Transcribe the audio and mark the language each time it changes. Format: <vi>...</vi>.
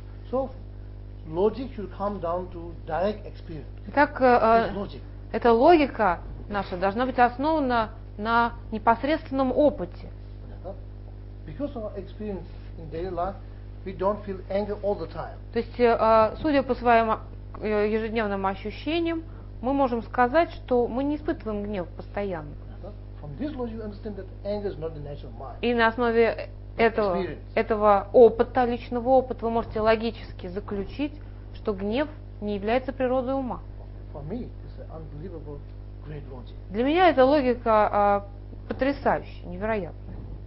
<en>So, logic should come down to direct experience.</en> <ru>Итак, эта логика наша должна быть основана на непосредственном опыте.</ru> <en>Because of our experience in daily life, we don't feel anger all the time.</en> <ru>То есть, судя по своим ежедневным ощущениям, мы можем сказать, что мы не испытываем гнев постоянно.</ru> <en>From this logic, you understand that anger is not the natural mind.</en> <ru>И на основе этого опыта, личного опыта, вы можете логически заключить, что гнев не является природой ума.</ru> <en>For me, it's an unbelievable great logic.</en> <ru>Для меня эта логика потрясающая, невероятная.</ru>